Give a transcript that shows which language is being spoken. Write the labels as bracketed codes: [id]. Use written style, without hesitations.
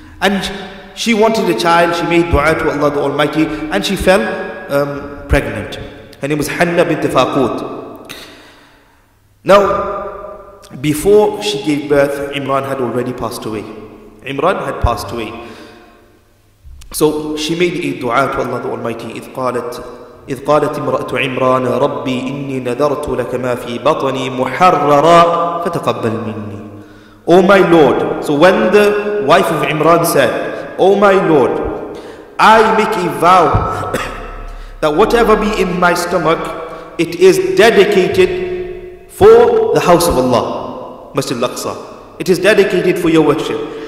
[en] And she wanted a child, she made dua to Allah the Almighty, and she fell pregnant. Her name was Hanna bint Faqut. Now, before she gave birth, Imran had already passed away. Imran had passed away. So she made a dua to Allah the Almighty. [ar] إذ قالت امرأة عمران ربي إني نذرت لك ما في بطني محررا فتقبل مني. [en] Oh my Lord. So when the wife of Imran said, Oh my Lord, I make a vow that whatever be in my stomach, it is dedicated for the house of Allah, Masjid al-Aqsa. It is dedicated for your worship.